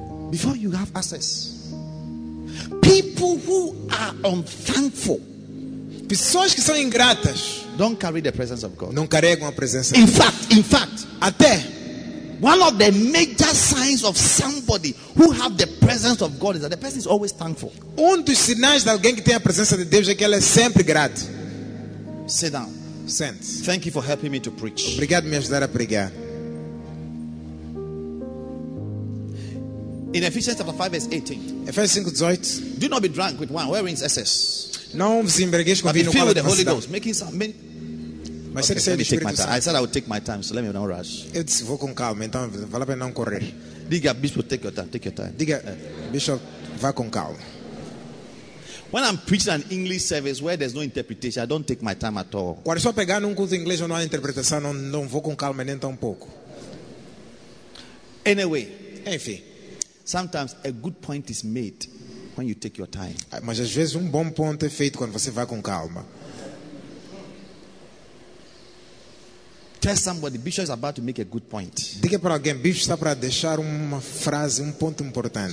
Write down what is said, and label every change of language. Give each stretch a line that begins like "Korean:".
English: Before you have access, people who are unthankful.
Portuguese: Pessoas que são ingratas.
English: Don't carry the presence of God.
Portuguese: Não carregam a presença.
English: In fact,
Portuguese: até
English: one of the major signs of somebody who have the presence of God is that the person is always thankful.
Portuguese: Um dos sinais de alguém que tem a presença de Deus é que ele é sempre grato.
English: Sit down. Sent. Thank you for helping me to preach.
Portuguese: Obrigado por me ajudar a pregar.
English: In Ephesians chapter 5 verse 18. Ephesians 5:18. Do not be drunk with wine, wherein is excess.
Portuguese: Não vos embriagueis com vinho,
English: filled with the Holy Ghost, making some. Many... Mas okay, let me take my time. I said I would take my time, so let me not rush.
Portuguese: Eu disse, vou com calma, então vale a pena não correr. Diga, bispo,
English: take your time. Take your time.
Portuguese: Diga, bishop, vá com calma.
English: When I'm preaching an English service where there's no interpretation, I don't take my time at all.
Portuguese: Quando estou pegando um curso de inglês onde não há interpretação, não vou com calma nem tampouco.
English: Anyway,
Portuguese: enfim,
English: sometimes a good point is made when you take your time.
Portuguese: Mas às vezes bom ponto é feito quando você vai com calma.
English: Tell somebody, bishop is about to make a good point.
Portuguese: Diga para alguém, bishop está para deixar uma frase, ponto importante.